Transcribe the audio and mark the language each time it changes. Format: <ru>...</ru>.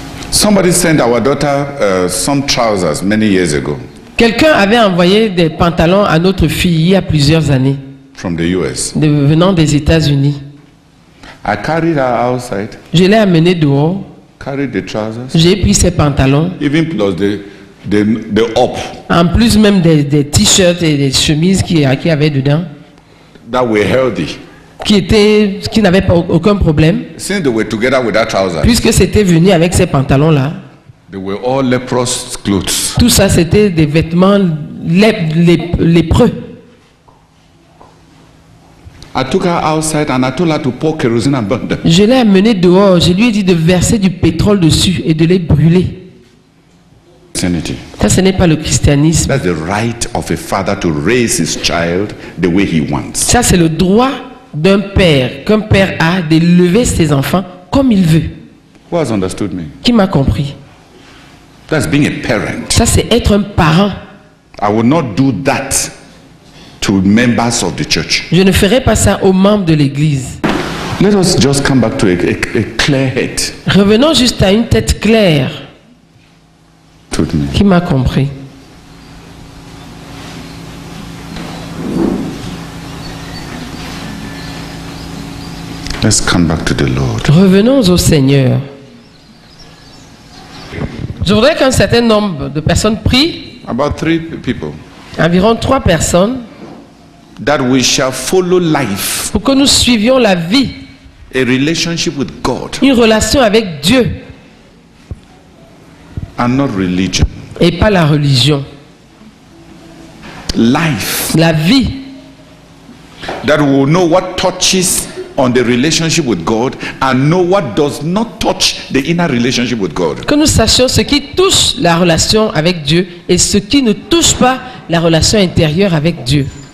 <en>Somebody sent our daughter some trousers many years ago.</en> <fr>Quelqu'un avait envoyé des pantalons à notre fille il y a plusieurs années.</fr> <en>From the US.</en> <fr>Venant des États-Unis.</fr> <en>I carried her outside.</en> <fr>Je l'ai amenée dehors.</fr> <en>Carried the trousers.</en> <fr>J'ai pris ses pantalons.</fr> <en>Even plus the up.</en> <fr>En plus même des t-shirts et des chemises qui avaient dedans.</fr> <en>That were healthy.</en> <fr>Qui n'avaient pas aucun problème.</fr> <en>Since they were together with that trousers.</en> <fr>Puisque c'était venu avec ces pantalons là.</fr> <en>They were all leprous clothes.</en> <fr>Tout ça c'était des vêtements lépreux.</fr> <en>I took her outside and I told her to pour kerosene and burn them.</en> <fr>Je l'ai amenée dehors. Je lui ai dit de verser du pétrole dessus et de les brûler.</fr> <en>Christianity.</en> <fr>Ça, ce n'est pas le christianisme.</fr> <en>That's the right of a father to raise his child the way he wants.</en> <fr>Ça, c'est le droit d'un père, qu'un père a, d'élever ses enfants comme il veut.</fr> <en>Who has understood me?</en> <fr>Qui m'a compris?</fr> <en>That's being a parent.</en> <fr>Ça, c'est être un parent.</fr> <en>I will not do that to members of the church.</en> <fr>Je ne ferai pas ça aux membres de l'église.</fr> <en>Let us just come back to a clear head.</en> <fr>Revenons juste à une tête claire. Tout qui m'a compris?</fr> <en>Let's come back to the Lord.</en> <fr>Revenons au Seigneur. Je voudrais qu'un certain nombre de personnes prient.</fr> <en>About three people.</en> <fr>Environ trois personnes.</fr> <en>That we shall follow life.</en> <fr>Pour que nous suivions la vie.</fr> <en>A relationship with God.</en> <fr>Une relation avec Dieu.</fr> <en>And not religion.</en> <fr>Et pas la religion.</fr> <en>Life.</en> <fr>La vie.</fr> <en>That we will know what touches on the relationship with God and know what does not touch the inner relationship with God.</en> <fr>Que nous sachions ce qui touche la relation avec Dieu et ce qui ne touche pas la relation intérieure avec Dieu.</fr>